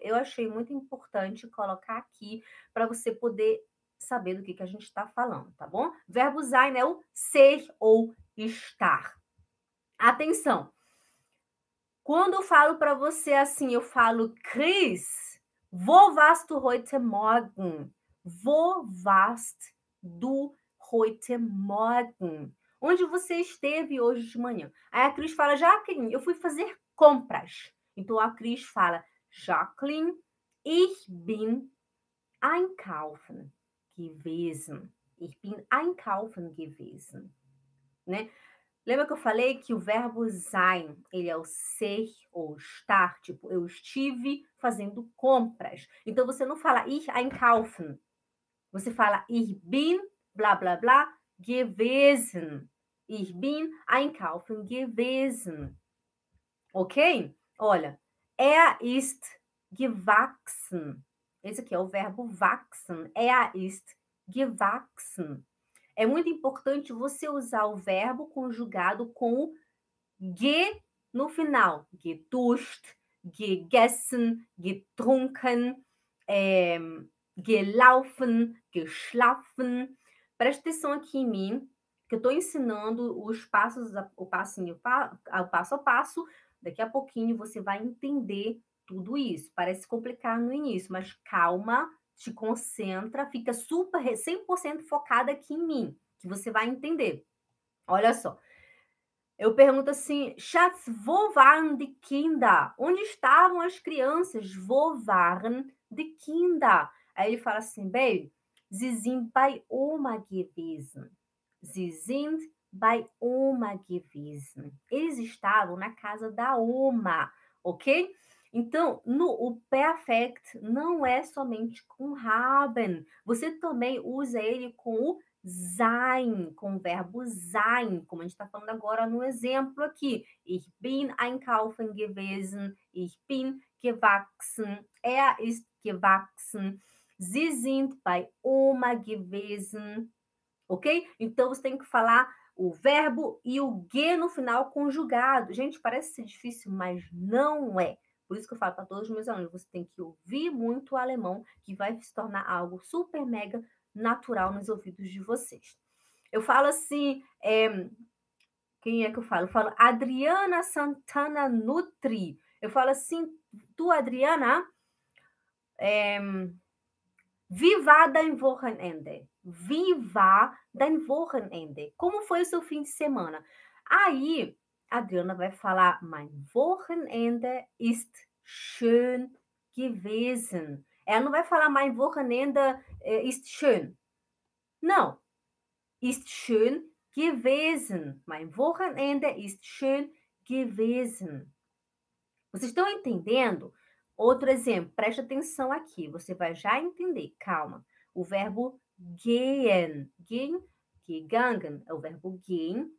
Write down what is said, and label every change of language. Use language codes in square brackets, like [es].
[pt] Eu achei muito importante colocar aqui para você poder saber do que a gente está falando, tá bom? Verbo sein é o ser ou estar. Atenção! Quando eu falo para você assim, eu falo, Chris, [de] wo warst du heute Morgen? Wo warst du heute Morgen? [pt] Onde você esteve hoje de manhã? Aí a Chris fala, Jacqueline, eu fui fazer compras. Então a Chris fala, Jacqueline, [de] ich bin einkaufen gewesen. Ich bin einkaufen gewesen. [pt] Né? Lembra que eu falei que o verbo sein, ele é o ser ou estar? Tipo, eu estive fazendo compras. Então, você não fala [de] ich einkaufen. [pt] Você fala [de] ich bin, [pt] blá, blá, blá, gewesen. [de] Ich bin einkaufen gewesen. [pt] Ok? Olha, [de] er ist gewachsen. [pt] Esse aqui é o verbo wachsen. [de] Er ist gewachsen. [pt] É muito importante você usar o verbo conjugado com o ge no final. [de] Geduscht, gegessen, getrunken, gelaufen, geschlafen. [pt] Presta atenção aqui em mim, que eu estou ensinando os passos, o passinho, o passo a passo. Daqui a pouquinho você vai entender tudo isso. Parece complicado no início, mas calma, te concentra, fica super, 100% focada aqui em mim. Que você vai entender. Olha só. Eu pergunto assim: [de] Schatz, wo waren die Kinder? [pt] Onde estavam as crianças? [de] Wo waren die Kinder? [pt] Aí ele fala assim: [de] Babe, sie sind bei Oma gewesen. Sie sind bei Oma gewesen. [pt] Eles estavam na casa da Oma, ok? Então, o perfect não é somente com haben. Você também usa ele com o sein, com o verbo sein, como a gente está falando agora no exemplo aqui. [de] Ich bin einkaufen gewesen. Ich bin gewachsen. Er ist gewachsen. Sie sind bei Oma gewesen. [pt] Ok? Então você tem que falar o verbo e o ge no final conjugado. Gente, parece ser difícil, mas não é. Por isso que eu falo para todos os meus alunos: você tem que ouvir muito o alemão, que vai se tornar algo super mega natural nos ouvidos de vocês. Eu falo assim, quem é que eu falo? Eu falo Adriana Santana Nutri. Eu falo assim, tu Adriana, viva [de] dein Wochenende, viva dein Wochenende. [pt] Como foi o seu fim de semana? Aí a Adriana vai falar, [de] mein Wochenende ist schön gewesen. [pt] Ela não vai falar, [de] mein Wochenende ist schön. [pt] Não, [de] ist schön gewesen. Mein Wochenende ist schön gewesen. [pt] Vocês estão entendendo? Outro exemplo, preste atenção aqui, você vai já entender. Calma. O verbo gehen. [de] Gehen, gegangen. [pt] É o verbo gehen.